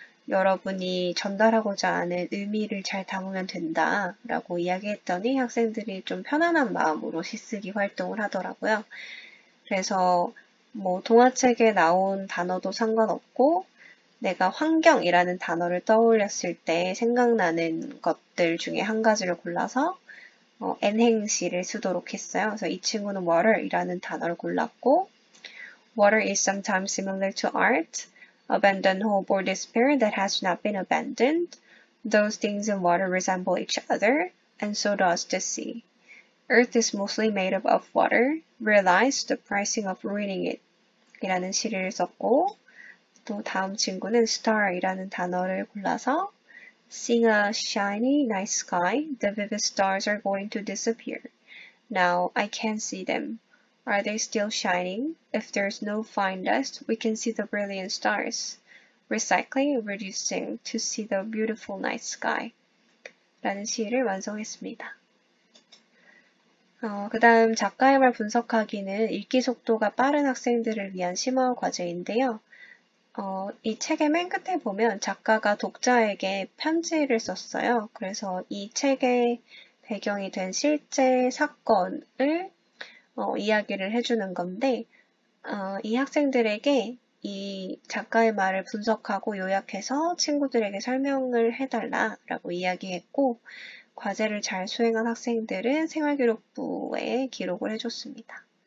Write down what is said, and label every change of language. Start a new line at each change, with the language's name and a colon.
Korean: 여러분이 전달하고자 하는 의미를 잘 담으면 된다라고 이야기했더니 학생들이 좀 편안한 마음으로 시쓰기 활동을 하더라고요. 그래서 뭐 동화책에 나온 단어도 상관없고 내가 환경이라는 단어를 떠올렸을 때 생각나는 것들 중에 한 가지를 골라서 N행시를 쓰도록 했어요. 그래서 이 친구는 water이라는 단어를 골랐고
English: water is sometimes similar to art. Abandon hope or despair that has not been abandoned. Those things in water resemble each other, and so does the sea. Earth is mostly made up of water. Realize the pricing of ruining it.
Korean: 이라는 시를 썼고, 또 다음 친구는 star 이라는 단어를 골라서,
English: Seeing a shiny, nice sky, the vivid stars are going to disappear. Now I can see them. Are they still shining? If there's no fine dust, we can see the brilliant stars. Recycling, reducing to see the beautiful night sky.
Korean: 라는 시를 완성했습니다. 그 다음 작가의 말 분석하기는 읽기 속도가 빠른 학생들을 위한 심화 과제인데요. 이 책의 맨 끝에 보면 작가가 독자에게 편지를 썼어요. 그래서 이 책의 배경이 된 실제 사건을 이야기를 해주는 건데, 이 학생들에게 이 작가의 말을 분석하고 요약해서 친구들에게 설명을 해달라라고 이야기했고, 과제를 잘 수행한 학생들은 생활기록부에 기록을 해줬습니다.